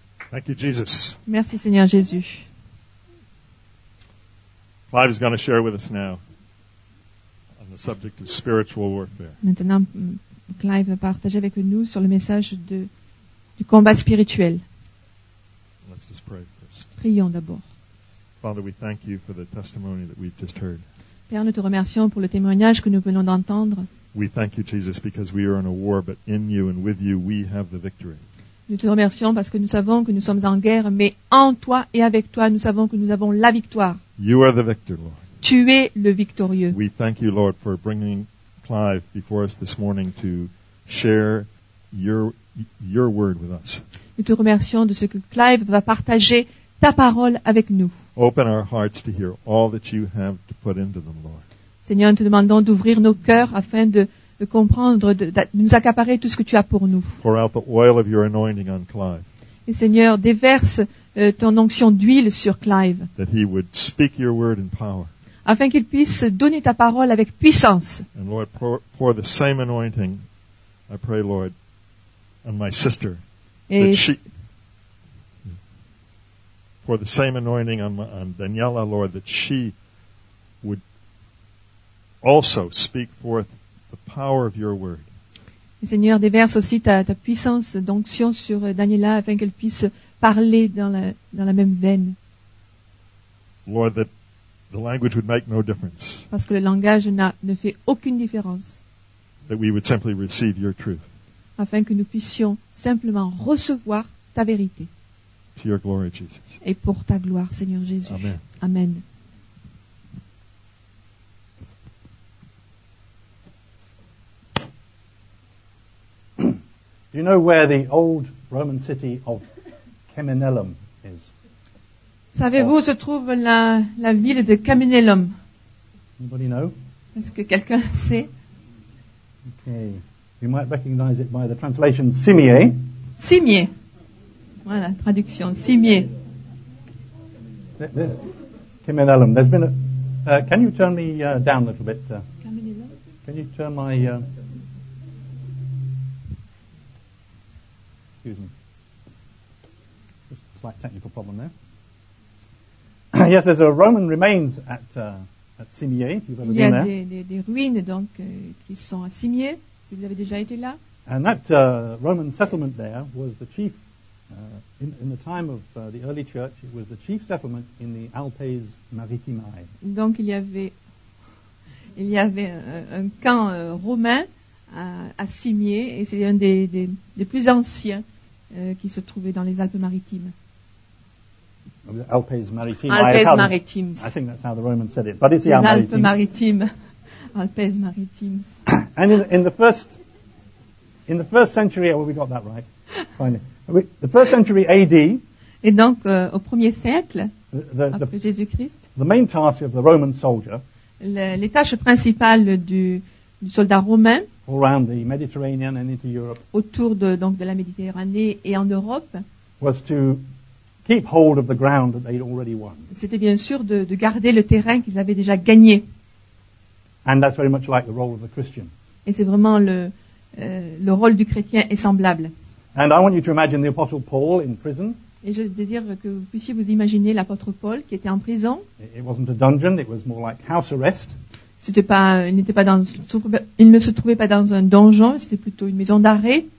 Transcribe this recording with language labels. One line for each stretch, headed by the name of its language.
English: Thank you, Jesus.
French: Merci, Seigneur Jésus.
English: Clive is going to share with us now on the subject of spiritual warfare.
French: Maintenant, Clive va partager avec nous sur le message du combat spirituel.
English: Let's just pray.
French: Prions d'abord.
English: Father, we thank you for the testimony that we've just heard.
French: Père, nous te remercions pour le témoignage que nous venons d'entendre.
English: We thank you, Jesus, because we are in a war, but in you and with you, we have the victory.
French: Nous te remercions parce que nous savons que nous sommes en guerre, mais en toi et avec toi, nous savons que nous avons la victoire.
English: You are the victor, Lord.
French: Tu es le victorieux.
English: We thank you, Lord, for bringing Clive before us this morning to share your word with us.
French: Nous te remercions de ce que Clive va partager ta parole avec nous.
English: Open our hearts to hear all that you have to put into them, Lord.
French: Seigneur, nous te demandons d'ouvrir nos cœurs afin de comprendre, de nous accaparer tout ce que tu as pour nous.
English: Pour out the oil of your anointing on Clive.
French: Et Seigneur, déverse ton onction d'huile sur Clive.
English: That he would speak your word in power.
French: Afin qu'il puisse donner ta parole avec puissance.
English: And Lord, pour the same anointing, I pray, Lord, on my sister.
French: Et
English: that she... For the same anointing on Daniela, Lord, that she would also speak forth the power of your word.
French: Seigneur, déverse aussi ta puissance d'onction sur Daniela afin qu'elle puisse parler dans la même veine.
English: Lord, that the language would make no difference.
French: Parce que le langage ne fait aucune différence.
English: That we would simply receive your truth.
French: Afin que nous puissions simplement recevoir ta vérité.
English: To your glory, Jesus.
French: Et pour ta gloire, Seigneur Jésus.
English: Amen.
French: Amen.
English: Do you know where the old Roman city of Ceminelum is?
French: Savez-vous où se trouve la ville de Ceminelum?
English: Anybody know?
French: Est-ce que quelqu'un sait?
English: Okay. You might recognize it by the translation Simié.
French: Simié. Voilà, traduction Simié.
English: Ceminelum. There's been a can you turn me down a little bit? Ceminelum? Can you turn my excuse me. Just a slight technical problem there. Yes, there's a Roman remains at Simié, if you've ever been there.
French: Des ruines donc qui sont à Simié, si vous avez déjà été là.
English: And that Roman settlement there was the chief in the time of the early church, it was the chief settlement in the Alpes Maritimae.
French: Donc il y avait un camp romain à Simié et c'est un des plus anciens qui se trouvait dans les Alpes maritimes. Alpes maritimes. Alpes maritimes.
English: I think that's how the Romans said it. But it's the Alpes
French: maritimes. Maritimes. Alpes maritimes.
English: And in the first century, oh, we got that right. Finally. The first century AD.
French: Et donc au premier siècle après Jésus-Christ.
English: The main task of the Roman soldier.
French: Les tâches principales du soldat romain.
English: Around the Mediterranean and into Europe.
French: Autour de la Méditerranée et en Europe.
English: Was to keep hold of the ground that they'd already won.
French: C'était bien sûr de garder le terrain qu'ils avaient déjà gagné.
English: And that's very much like the role of a Christian.
French: Et c'est vraiment le rôle du chrétien est semblable.
English: And I want you to imagine the Apostle Paul in prison.
French: Et je désire que vous puissiez vous imaginer l'apôtre Paul qui était en prison.
English: It wasn't a dungeon, it was more like house arrest.
French: Il ne se trouvait pas dans un donjon, c'était plutôt une maison d'arrêt.